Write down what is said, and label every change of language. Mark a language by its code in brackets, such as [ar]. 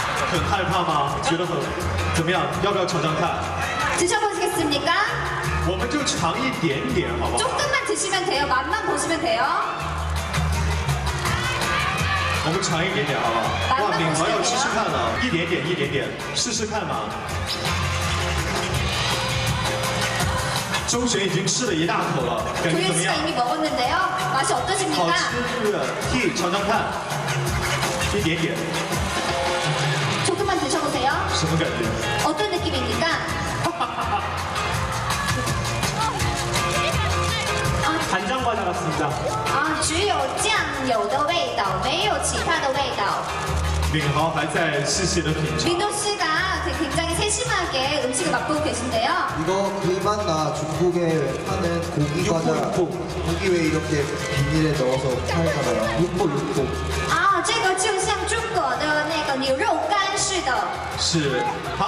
[zh] 很害怕吗？觉得很怎么样？要不要尝尝看？ [ko] 드셔보시겠습니까？ [zh] 我们就尝一点点，好不好？ [ko] 조금만드시면돼요，맛만보시면돼요。 [zh] 我们尝一点点好不好？哇，敏豪要试试看了，一点点，一点点，试试看嘛。 [ko] 종준이 지금 [zh] 吃了一大口了 [ko] 종준 씨가 이미 먹었는데요 맛이 어떠십니까? [zh] 好吃是 尝尝看 一点点 [ko] 조금만 드셔보세요 [zh] 什么感觉? [ko] 어떤 느낌입니까? 간장과자 같습니다 [zh] 아, 只有酱油的味道 没有其他的味道 [ko] 민호씨가 굉장히 세심하게 음식을 맛보고 계신데요 이거 불맛나 중국에 파는 고기과자 고기 왜 이렇게 비닐에 넣어서 팔잖아요 육포 아, [zh] 这个就像中国的那个牛肉干似的